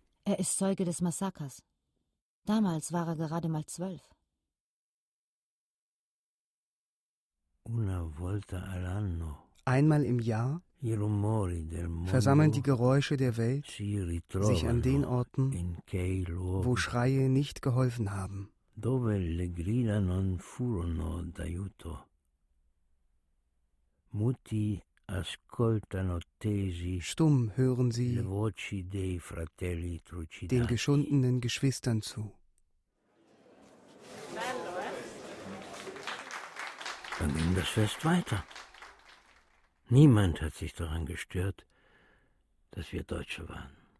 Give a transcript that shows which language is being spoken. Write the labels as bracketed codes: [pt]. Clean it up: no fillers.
[de] Er ist Zeuge des Massakers. Damals war er gerade mal 12. [it] Una volta all'anno. [de] Einmal im Jahr. [it] I rumori del mondo [de] versammeln die Geräusche der Welt [it] si ritrovano [de] sich an den Orten, [it] in quei luoghi, [de] wo Schreie nicht geholfen haben. [it] Dove le grida non furono d'aiuto. Muti ascoltano tesi. [de] Stumm hören sie [it] le voci dei fratelli trucidati. [de] Den geschundenen Geschwistern zu. Dann ging das Fest weiter. Niemand hat sich daran gestört, dass wir Deutsche waren.